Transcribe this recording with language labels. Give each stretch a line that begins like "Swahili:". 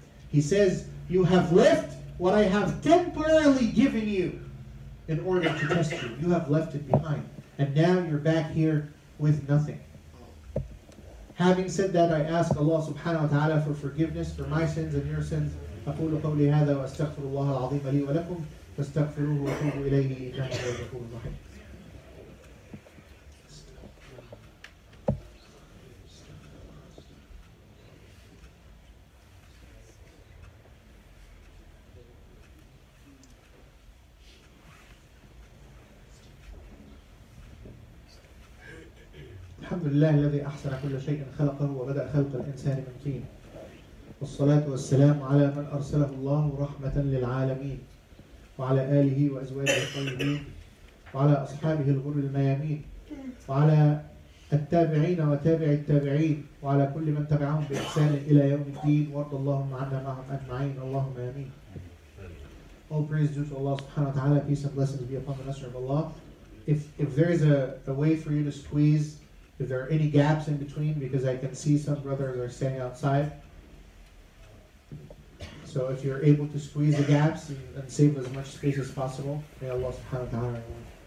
English: He says, you have left what I have temporarily given you in order to test you. You have left it behind. And now you're back here with nothing. Having said that, I ask Allah subhanahu wa ta'ala for forgiveness for my sins and your sins.
Arabic: أقول قولي هذا وأستغفر الله العظيم لي ولكم فاستغفروه وتوبوا إليه إنه هو الغفور الرحيم. الحمد لله الذي أحسن كل شيء خلقه وبدأ خلق الإنسان من طين والصلاة والسلام على من أرسله الله رحمة للعالمين وعلى آله وأزواجه الطيبين وعلى أصحابه الغر الميامين وعلى التابعين وتابع التابعين وعلى كل من تبعهم بإحسان إلى يوم الدين وارض اللهم عنا معهم أجمعين اللهم آمين.
English: All praise due to Allah subhanahu wa ta'ala, peace and blessings be upon the Messenger of Allah. If there is a way for you to squeeze, if there are any gaps in between, because I can see some brothers are standing outside. So if you're able to squeeze the gaps and save as much space as possible, may Allah subhanahu wa ta'ala reward.